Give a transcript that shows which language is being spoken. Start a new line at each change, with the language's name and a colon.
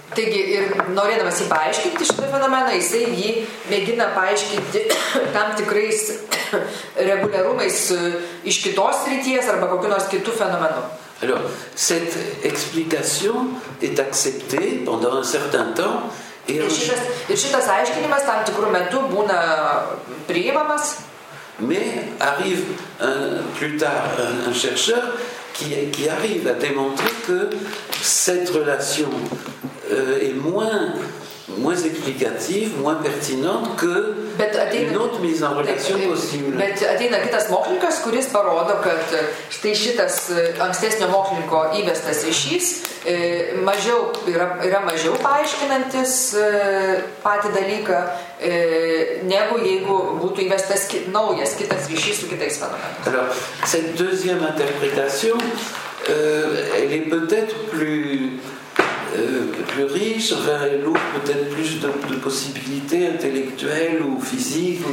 Lithuanian: Taigi, ir norėdamas jį paaiškinti šitą fenomeną, jisai jį mėgina paaiškinti tam tikrais reguliarumais iš kitos srities arba kokiu nors kitu fenomenu.
French: Alors, cette explication est acceptée pendant un certain temps.
Lithuanian: Et šitas aiškinimas tam tikru metu būna priimamas.
French: Mais arrive plus tard un chercheur qui arrive à démontrer que cette relation est moins explicative, moins pertinente que une autre mise en relation possible.
Lithuanian: Bet ateina kitas mokslininkas, kuris parodo, kad štai šitas ankstesnio mokslininko įvestas ryšys yra mažiau paaiškinantis patį dalyką, negu jeigu būtų įvestas naujas kitas ryšys su kitais fenomenais.
French: Alors, cette deuxième interprétation, elle est peut-être plus riche, elle ouvre peut-être plus de possibilités intellectuelles ou physiques.